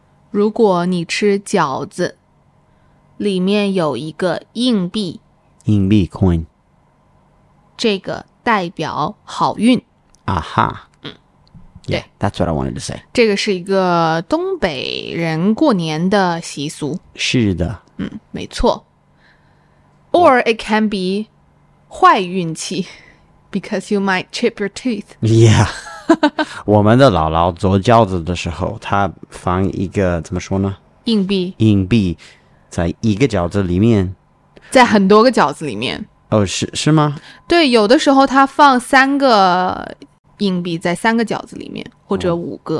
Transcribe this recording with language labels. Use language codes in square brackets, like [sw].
[zh] 如果你吃饺子，里面有一个硬币。硬币 coin. 这个代表好运。 [en] Aha. Yeah, that's what I wanted to say. [zh] 这个是一个东北人过年的习俗。是的。没错。 [en] Or it can be [zh] 坏运气 [en] because you might chip your tooth. Yeah. [zh] 我们的姥姥做饺子的时候，她放一个怎么说呢？硬币。硬币在一个饺子里面。在很多个饺子里面。哦，是吗？对，有的时候她放三个硬币在三个饺子里面，或者五个。